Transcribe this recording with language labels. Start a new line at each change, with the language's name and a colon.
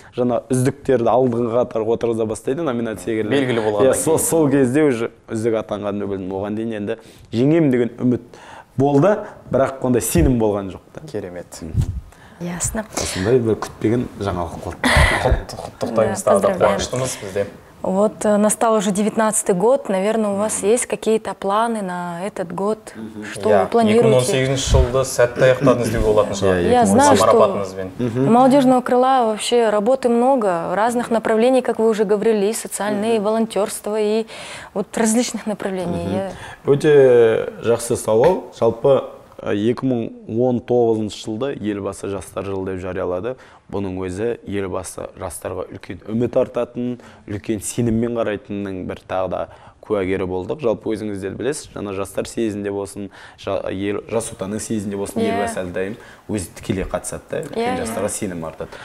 Kazakh: Жаңа үздіктерді алдыңғы қатарға отырғыза бастайды номинация керіледі. Белгілі болғаннан кейін. Сол кезде уже үздік атанғанымды білдім. Оған дейін енді жеңемін деген үміт болды, бірақ ондай сенім болған жоқ та. Керемет.
Russian: Ясно.
Kazakh: Осындай бір күтпеген жаңалық болды. Құттықтаймыз тағы да, қуаныштымыз бізде.
Russian: Вот настал уже 19-й год, наверное, у вас есть какие-то планы на этот год? Что вы планируете?
Kazakh: 2018 жылды сәтті аяқтадыңыз деп болатын шығар.
Russian: Я знаю, что молодежного крыла вообще работы много, разных направлений, как вы уже говорили, и социальные, и волонтерство, и вот различных направлений.
Kazakh: Өте жақсы сауал. Жалпы 2019 жылды елбасы жастар жылы деп жариялады. Бұның өзі елбасы жастарға үлкен үміт артатын, үлкен сеніммен қарайтынның бір тағы да куәгері болдық. Жалпы өзіңізде білесіз, жаңа жастар съезінде болсын, жас отанның съезінде болсын, елбасы әлдайым өзі тікелей қатысады, үлкен жастарға сенім артады.